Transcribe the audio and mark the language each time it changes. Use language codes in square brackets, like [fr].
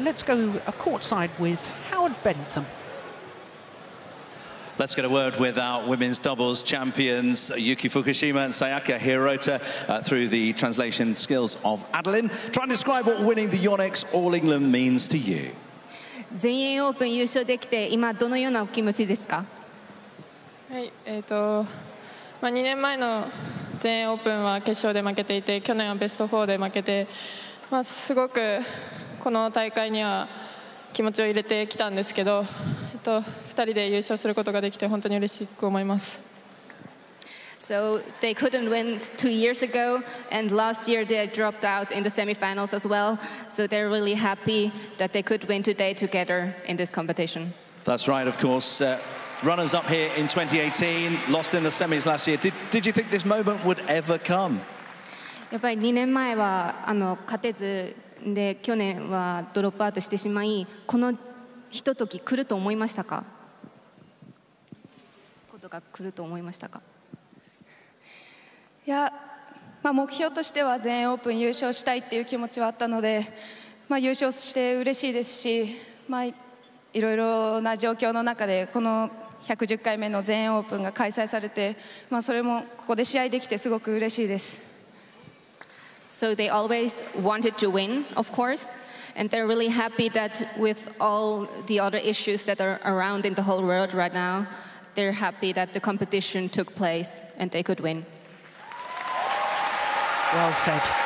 [en] Let's go courtside with Howard Bentham. Let's get a word with our women's doubles champions, Yuki Fukushima and Sayaka Hirota, through the translation skills of Adeline. Try and describe what winning the Yonex All England means to you. [ja] 全英オープン優勝できて、今どのようなお気持ちですか？はい、まあ、2年前の全英オープンは決勝で負けていて、去年はベスト4で負けて、まあ、すごくこの大会には気持ちを入れてきたんですけど、2人で優勝することができて本当に嬉しく思います。 [en] So they couldn't win 2 years ago, and last year they dropped out in the semifinals as well. So they're really happy that they could win today together in this competition. That's right, of course. Runners up here in 2018, lost in the semis last year. Did you think this moment would ever come? [ja] やっぱり2年前は勝てずで、去年はドロップアウトしてしまい、このひととき来ると思いましたか？が来ると思いましたか？いや、まあ、目標としては全英オープン優勝したいっていう気持ちはあったので、まあ、優勝して嬉しいですし、まあ、いろいろな状況の中でこの110回目の全英オープンが開催されて、まあ、それもここで試合できてすごく嬉しいです。 [en] So they always wanted to win, of course. And they're really happy that with all the other issues that are around in the whole world right now, they're happy that the competition took place and they could win. Well said.